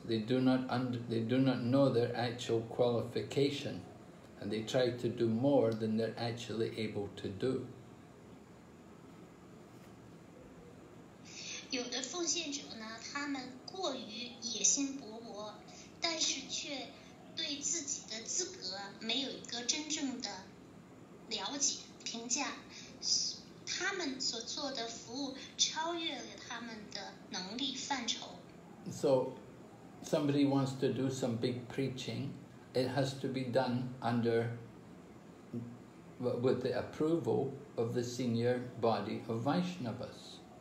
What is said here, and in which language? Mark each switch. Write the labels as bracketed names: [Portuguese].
[English] They do not know their actual qualification, and they try to do more than they're actually able to do. [Chinese] 有的奉献者呢，他们过于野心勃勃，但是却对自己的资格没有一个真正的了解评价，他们所做的服务超越了他们的能力范畴。 [English] So, somebody wants to do some big preaching, it has to be done under with the approval of the senior body of Vaishnavas.